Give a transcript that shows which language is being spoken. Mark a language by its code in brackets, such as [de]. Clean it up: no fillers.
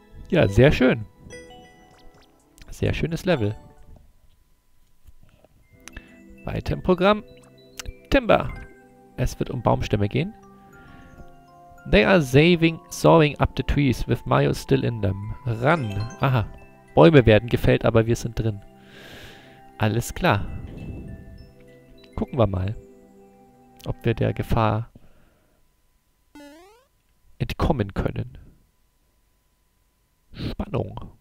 [de] Ja, sehr schön. Sehr schönes Level. Weiter im Programm. Timber. Es wird um Baumstämme gehen. [en] They are sawing up the trees with Mario still in them. Run. Aha. [de] Bäume werden gefällt, aber wir sind drin. Alles klar. Gucken wir mal, ob wir der Gefahr entkommen können. Spannung.